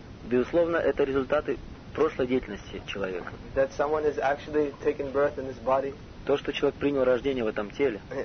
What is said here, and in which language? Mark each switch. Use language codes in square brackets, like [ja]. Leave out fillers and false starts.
[ru] Безусловно, это результаты прошлой деятельности человека. [en] That someone has actually taken birth in this body. [ru] То, что человек принял рождение в этом теле.